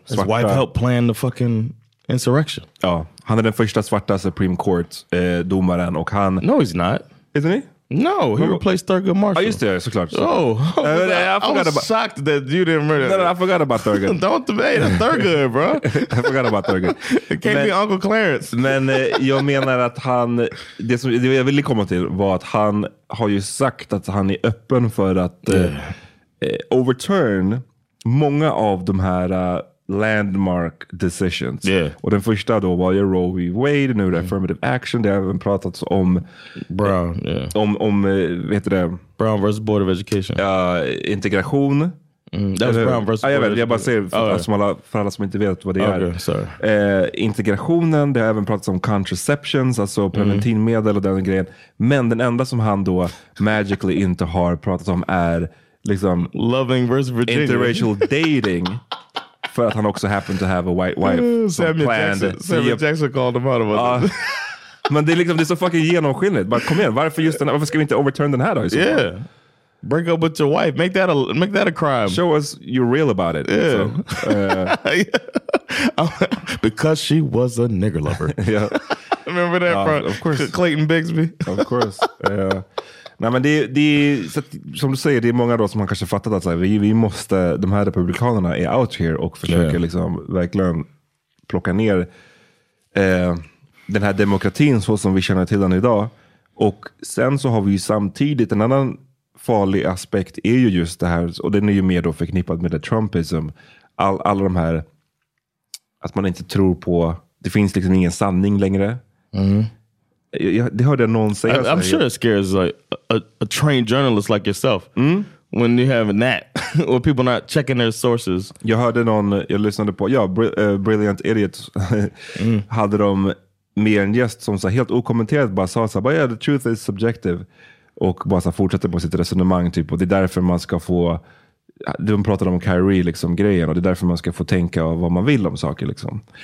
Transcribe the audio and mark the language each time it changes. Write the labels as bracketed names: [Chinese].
[English] His wife helped plan the fucking insurrection. [Swedish] Ja, han är den första svarta Supreme Court-domaren, och han... [English] No, he's not. Isn't he? No, he replaced Thurgood Marshall. [Swedish] Ah, just det, såklart. [English] I was shocked that you didn't murder him. No, I forgot about Thurgood. Don't debate, that's Thurgood, bro. I forgot about Thurgood. It can't be Uncle Clarence. [Swedish] Men jag menar att han... Det som jag ville komma till var att han har ju sagt att han är öppen för att overturn... Många av de här [English] landmark decisions. Yeah. [Swedish] Och den första då var ju Roe v. Wade, nu affirmative action. Det har även pratats om [English] Brown, yeah. [Swedish] Om vad heter det? [English] Brown versus Board of Education. [Swedish] Integration. [English] That was Brown versus Board. [Swedish] Jag bara säger för alla som inte vet vad det är. [English] Okay, sorry. [Swedish] Integrationen, det har även pratats om contraceptions, alltså preventivmedel och den grejen. Men den enda som han då magically inte har pratat om är liksom loving versus Virginia, [English] interracial dating, [Swedish] för att han också [English] happened to have a white wife. Samuel Jackson called him out about it. [Swedish] Men det är liksom, det är så fucking genomskinligt. Bara kom igen, varför just den här, varför ska vi inte overturn den här då? [English] Yeah. Break up with your wife, make that a crime. Show us you're real about it. Yeah. So, because she was a nigger lover. Yeah. Remember that front? Of course. Clayton Bigsby. Of course. Yeah. [Swedish] Nej, men det som du säger, det är många då som har kanske fattat att så här, vi måste, de här republikanerna är [English] out here [Swedish] och försöker, yeah, liksom verkligen plocka ner den här demokratin så som vi känner till den idag. Och sen så har vi ju samtidigt en annan farlig aspekt är ju just det här, och den är ju mer då förknippad med det Trumpism, alla de här, att man inte tror på, det finns liksom ingen sanning längre. Mm. Det hörde jag någon säga. [English] I'm sure it scares like a trained journalist like yourself when you have that or people not checking their sources. [Swedish] Jag hörde någon, jag lyssnade på, ja, Brilliant Idiots hade de med en gäst som så helt okommenterat bara sa såhär, yeah, [English] the truth is subjective, [Swedish] och bara så fortsätter på sitt resonemang typ, och det är därför man ska få, de pratade om Kyrie liksom grejen, och det är därför man ska få tänka vad man vill om saker liksom.